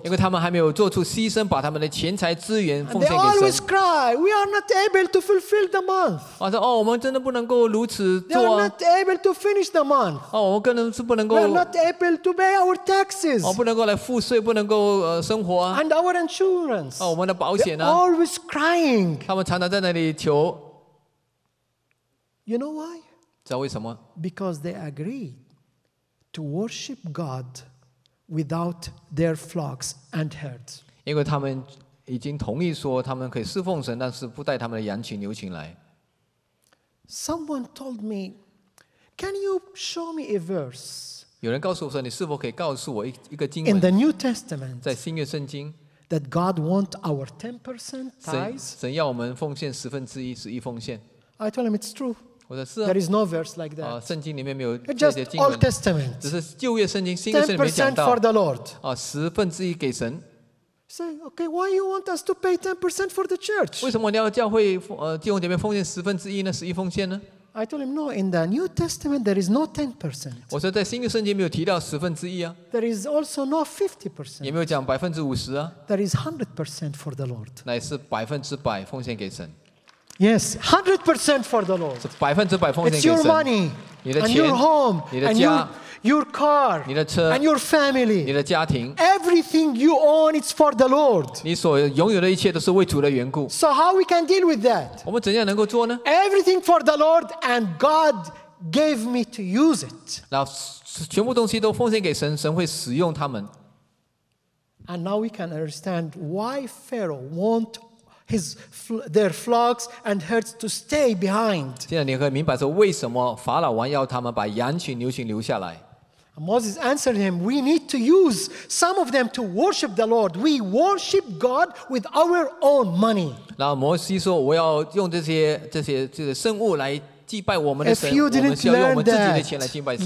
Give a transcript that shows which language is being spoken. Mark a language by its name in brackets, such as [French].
[Chinese] 因为他们还没有做出牺牲，把他们的钱财资源奉献给神。 [English] They always cry, "We are not able to fulfill the month." [Chinese] 我说哦，我们真的不能够如此做。 [English] They are not able to finish the month. [Chinese] 哦，我们根本是不能够。 [English] We are not able to pay our taxes. [Chinese] 哦，不能够来付税，不能够生活。 [English] And our insurance. [Chinese] 哦，我们的保险呢 [English] ？They are always crying. [Chinese] 他们常常在那里求。 [English] You know why? [Chinese] 知道为什么 [English] ？Because they agree to worship God. Without their flocks and herds, [Chinese] 因为他们已经同意说他们可以侍奉神，但是不带他们的羊群、牛群来。 [English] Someone told me, "Can you show me a verse?" [Chinese] 有人告诉我说，你是否可以告诉我一个经文 [English] ？In the New Testament, [Chinese] 在新约圣经 [English] ，that God wants our 10% tithes. [Chinese] 神要我们奉献十分之一，十一奉献。 [English] I told him it's true. [Chinese] 我说是啊。 [English] There is no verse like that. [Chinese] 圣经里面没有这些经文。 [English] Old Testament. [Chinese] 只是旧约圣经、新约圣经没讲到。 [English] 10% for the Lord. [Chinese] 十分之一给神。 [English] Say, okay, why you want us to pay 10% for the church? [Chinese] 为什么你要教会弟兄姐妹奉献十分之一呢？十一奉献呢 [English] ？I told him no. In the New Testament, there is no 10%. [Chinese] 我说在新约圣经没有提到十分之一啊。 [English] There is also no 50%. [Chinese] 也没有讲百分之五十啊。 [English] There is 100% for the Lord. [Chinese] 乃是百分之百奉献给神。 [English] Yes, 100% for the Lord. [Chinese] 是百分之百奉献给神。 [English] It's your money, [Chinese] 你的钱 [English] and your home, [Chinese] 你的家 [English] and your car, [Chinese] 你的车 [English] and your family, [Chinese] 你的家庭 [English] Every everything you own is for the Lord. [Chinese] 你所拥有的一切都是为主的缘故。 [English] So how we can deal with that? [Chinese] 我们怎样能够做呢？ [English] Everything for the Lord and God gave me to use it. [Chinese] 那全部东西都奉献给神，神会使用他们。 [English] And now we can understand why Pharaoh won't their flocks and herds to stay behind. [Chinese] 现在你可以明白说为什么法老王要他们把羊群牛群留下来。 [English] Moses answered him, we need to use some of them to worship the Lord. We worship God with our own money. [Chinese] 然后摩西说我要用这些生物来祭拜我们的神，我们需要用我们自己的钱来敬拜神。